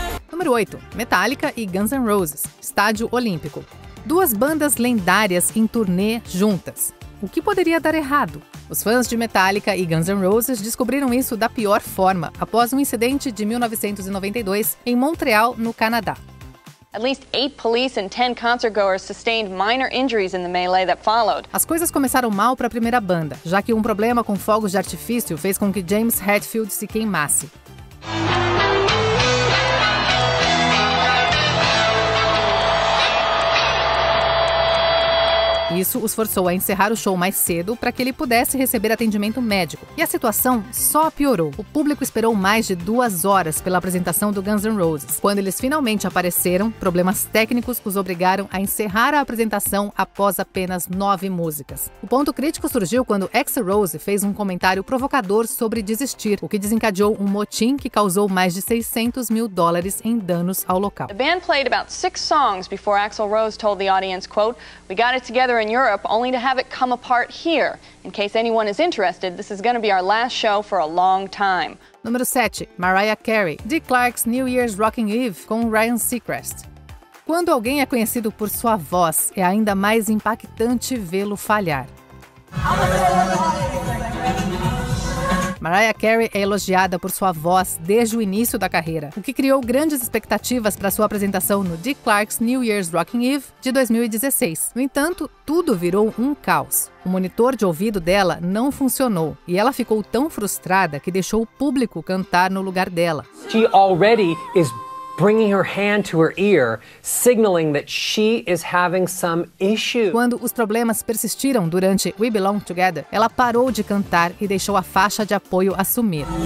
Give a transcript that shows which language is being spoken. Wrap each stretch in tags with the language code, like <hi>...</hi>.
<pt>Número 8. Metallica e Guns N' Roses, Estádio Olímpico. Duas bandas lendárias em turnê juntas. O que poderia dar errado? Os fãs de Metallica e Guns N' Roses descobriram isso da pior forma após um incidente de 1992 em Montreal, no Canadá.</pt> <en>At least 8 police and 10 concertgoers sustained minor injuries in the melee that followed.</en> <pt>As coisas começaram mal para a primeira banda, já que um problema com fogos de artifício fez com que James Hetfield se queimasse. Isso os forçou a encerrar o show mais cedo para que ele pudesse receber atendimento médico. E a situação só piorou. O público esperou mais de 2 horas pela apresentação do Guns N' Roses. Quando eles finalmente apareceram, problemas técnicos os obrigaram a encerrar a apresentação após apenas 9 músicas. O ponto crítico surgiu quando Axl Rose fez um comentário provocador sobre desistir, o que desencadeou um motim que causou mais de $600 mil em danos ao local. A banda</pt> <en>played about 6 songs before Axl Rose told the audience, quote, "We got it together in Europe only to have it come apart here. In case anyone is interested, this is going to be our last show for a long time."</en> <pt>Número 7. Mariah Carey, Dick Clark's New Year's Rockin' Eve com Ryan Seacrest. Quando alguém é conhecido por sua voz, é ainda mais impactante vê-lo falhar. Mariah Carey é elogiada por sua voz desde o início da carreira, o que criou grandes expectativas para sua apresentação no Dick Clark's New Year's Rockin' Eve de 2016. No entanto, tudo virou um caos. O monitor de ouvido dela não funcionou e ela ficou tão frustrada que deixou o público cantar no lugar dela.</pt> <en>She already is bringing her hand to her ear, signaling that she is having some issue.</en> <pt>Quando os problemas persistiram durante We Belong Together, ela parou de cantar e deixou a faixa de apoio assumir.</pt>